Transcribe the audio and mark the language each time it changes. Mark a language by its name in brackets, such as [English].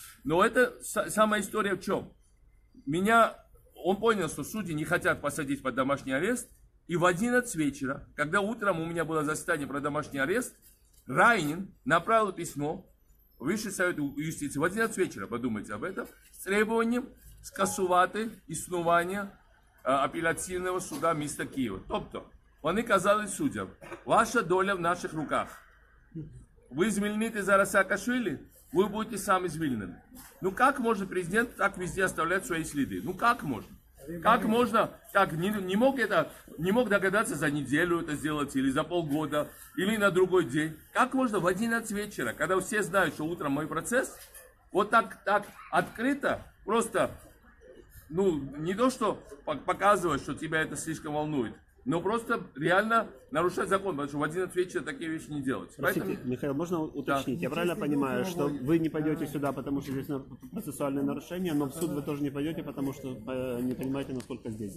[Russian] Но это сама история в чем? Он понял, что судьи не хотят посадить под домашний арест, и в 11 вечера, когда утром у меня было заседание про домашний арест, Райнин направил письмо в Высший совет юстиции в 11 вечера, подумайте об этом, с требованием [Ukrainian] скасувати існування апеляційного суду міста Києва. Тобто, вони казали суддям, ваша доля в наших руках. Ви звільните зараз Саакашвілі, ви будете самі звільнені. Ну як може президент так везде оставляти свої сліди? Ну як може? Як можна, так, не мог догадатися за неділю це зробити, [Russian] или за полгода, или на другой день? [Ukrainian] Як можна в 11 вечора, коли всі знають, що утром мій процес, вот так відкрито, просто... [Russian] Ну, не то, что показывать, что тебя это слишком волнует, но просто реально нарушать закон, потому что в 11 вечера такие вещи не делать. Простите, поэтому... Михаил, можно уточнить? Да. Я правильно понимаю, что вы не пойдете сюда, потому что здесь процессуальные нарушения, но в суд вы тоже не пойдете, потому что не понимаете, насколько здесь.